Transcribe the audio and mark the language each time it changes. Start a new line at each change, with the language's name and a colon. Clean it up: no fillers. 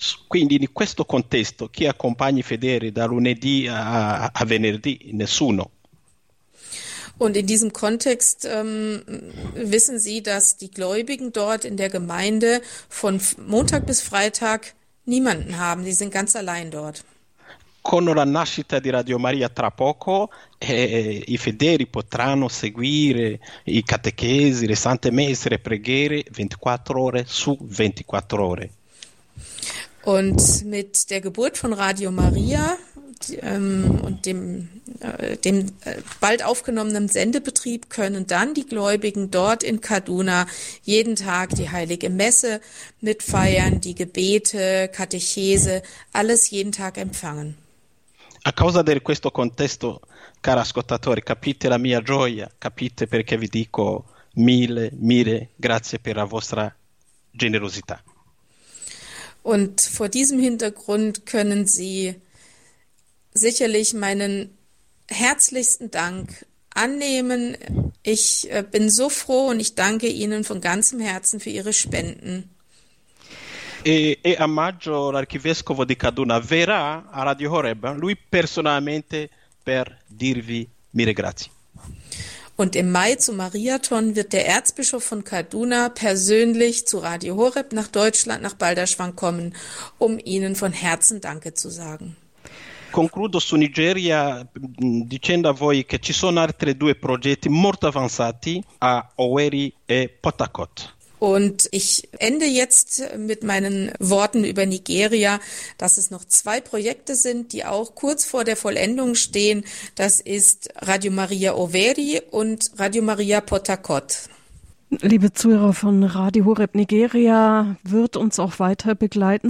Italian: Quindi in questo contesto chi accompagna i fedeli da lunedì a venerdì? Nessuno.
German: Und in diesem Kontext wissen Sie, dass die Gläubigen dort in der Gemeinde von Montag bis Freitag niemanden haben. Die sind ganz allein dort.
Italian: Con la nascita di Radio Maria tra poco, i fedeli potranno seguire i catechesi, le sante messe, le preghiere 24 ore su 24 ore.
German: Und mit der Geburt von Radio Maria und dem bald aufgenommenen Sendebetrieb können dann die Gläubigen dort in Kaduna jeden Tag die heilige Messe mitfeiern, die Gebete, Katechese, alles jeden Tag empfangen.
Italian: A causa di questo contesto, cari ascoltatori, capite la mia gioia, capite perché vi dico mille, mille grazie per la vostra generosità.
German: Und vor diesem Hintergrund können Sie sicherlich meinen herzlichsten Dank annehmen. Ich bin so froh und ich danke Ihnen von ganzem Herzen für Ihre Spenden.
Italian: E a maggio l'arcivescovo di Kaduna verrà a Radio Horeb, lui personalmente per dirvi mille grazie.
German: Und im Mai zum Mariathon wird der Erzbischof von Kaduna persönlich zu Radio Horeb nach Deutschland, nach Balderschwang kommen, um Ihnen von Herzen Danke zu sagen.
Italian: Concludo su Nigeria dicendo a voi che ci sono altri due progetti molto avanzati a Oweri e Port Harcourt.
German: Und ich ende jetzt mit meinen Worten über Nigeria, dass es noch zwei Projekte sind, die auch kurz vor der Vollendung stehen. Das ist Radio Maria Oweri und Radio Maria Port Harcourt. Liebe Zuhörer von Radio Horeb, Nigeria wird uns auch weiter begleiten.